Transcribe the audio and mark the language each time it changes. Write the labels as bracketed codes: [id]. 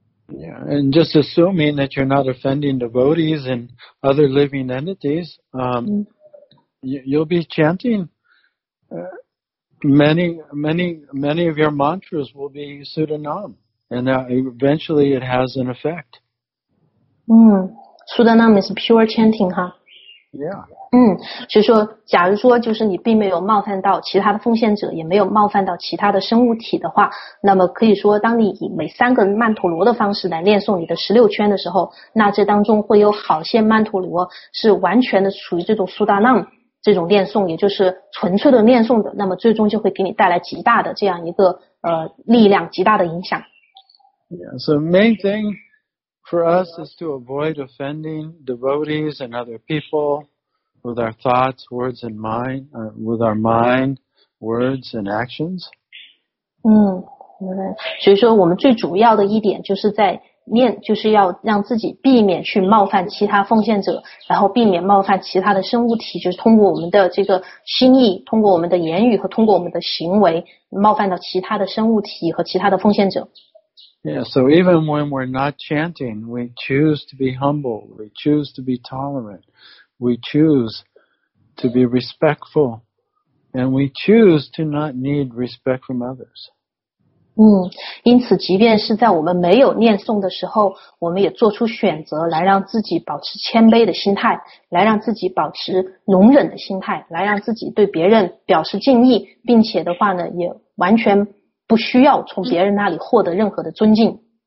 [en] Yeah, and just assuming that you're not offending devotees and other living entities you'll be chanting many of your mantras will be sudanam and eventually it has an effect Sudanam is pure chanting, 哈。 Yeah. [zh] 嗯，所以说，假如说就是你并没有冒犯到其他的奉献者，也没有冒犯到其他的生物体的话，那么可以说，当你以每三个曼陀罗的方式来念诵你的十六圈的时候，那这当中会有好些曼陀罗是完全的处于这种 Sudanam 这种念诵，也就是纯粹的念诵的，那么最终就会给你带来极大的这样一个力量，极大的影响。 [en] Yeah, so main thing. For us is to avoid offending devotees and other people with our thoughts, words, and mind, with our mind, words, and actions. [zh] 嗯，所以说我们最主要的一点就是在念，就是要让自己避免去冒犯其他奉献者，然后避免冒犯其他的生物体，就是通过我们的这个心意，通过我们的言语和通过我们的行为，冒犯到其他的生物体和其他的奉献者。 [en] Yeah, so even when we're not chanting, we choose to be humble, we choose to be tolerant, we choose to be respectful, and we choose to not need respect from others. [zh] 嗯，因此即便是在我们没有念诵的时候，我们也做出选择来让自己保持谦卑的心态，来让自己保持容忍的心态，来让自己对别人表示敬意，并且的话呢，也完全不需要从别人那里获得任何的尊敬。